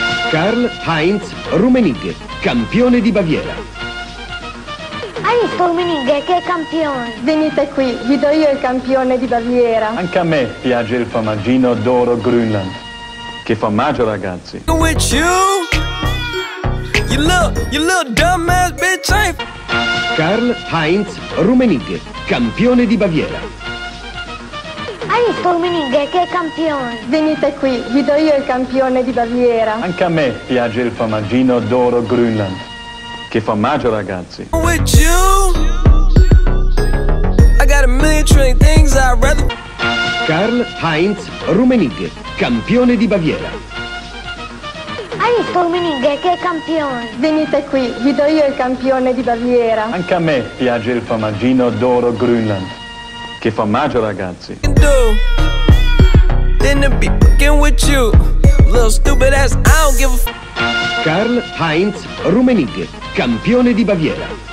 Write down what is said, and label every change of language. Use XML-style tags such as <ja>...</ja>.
<it>Karl-Heinz Rummenigge, campione di Baviera. Hai visto Rummenigge, che campione? Venite qui, vi do io il campione di Baviera. Anche a me piace il formaggino d'oro Grünland. Che formaggio, ragazzi.</it> <en>With you little dumbass bitch.</en> <it>Karl-Heinz Rummenigge, campione di Baviera. Hai visto Rummenigge, che campione? Venite qui, vi do io il campione di Baviera. Anche a me piace il formaggino d'oro Grünland. Che formaggio, ragazzi.</it> <en>With you, I got a million trillion things I'd rather.</en> <it>Karl-Heinz Rummenigge, campione di Baviera. Hai visto Rummenigge, che campione? Venite qui, vi do io il campione di Baviera. Anche a me piace il formaggino d'oro Grünland. Che formaggio, ragazzi. Karl-Heinz Rummenigge, campione di Baviera.</it>